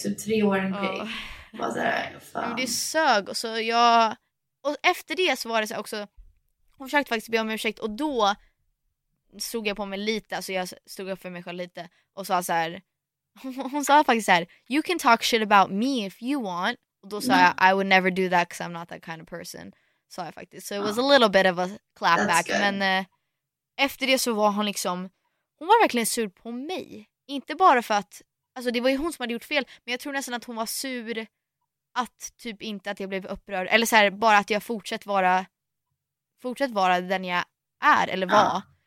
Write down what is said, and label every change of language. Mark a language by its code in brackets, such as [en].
[sv] Typ 3-åring pig. Bara såhär, fan. Men det sög. Och så jag... Och efter det så var det så också... Hon försökte faktiskt be om ursäkt. Och då... stod jag på mig lite, så jag stod upp för mig själv lite och sa så här. Hon sa faktiskt så här: [en] "You can talk shit about me if you want." [sv] Och då sa jag: [en] "I would never do that because I'm not that kind of person." [sv] Sa jag faktiskt. [en] So it was a little bit of a clap back. [sv] Men efter det så var hon liksom, hon var verkligen sur på mig. Inte bara för att, alltså det var ju hon som hade gjort fel, men jag tror nästan att hon var sur att typ inte att jag blev upprörd, eller så här, bara att jag fortsatt vara den jag är eller var.